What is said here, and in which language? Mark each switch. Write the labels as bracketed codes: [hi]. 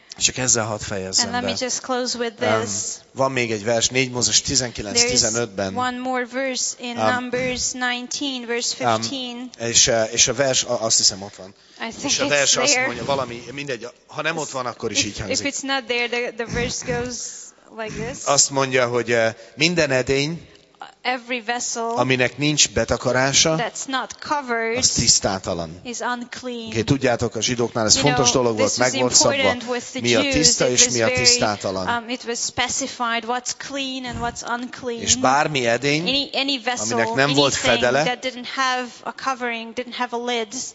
[hu] Csak ezzel hadd fejezzem be. Van még egy vers, 4 Mózes 19:15-ben. És a vers, azt hiszem, ott van. És a vers azt mondja, valami, mindegy, ha nem ott van, akkor is így hangzik. [en] If it's not there, the verse goes like this. [hu] Azt mondja, hogy minden edény, [en] every vessel, [hu] aminek nincs betakarása, [en] that's not covered, [hu] az tisztátalan. [en] Is unclean. [hu] Okay, tudjátok, a zsidóknál ez [en] you [hu] fontos dolog volt, meg volt szabva, mi a tiszta [en] Jews, [hu] és mi a tisztátalan. [en] It was specified what's clean and what's unclean. [hu] És bármi edény, [en] any vessel, [hu] aminek nem volt fedele, [en] that didn't have a covering, didn't have a lid,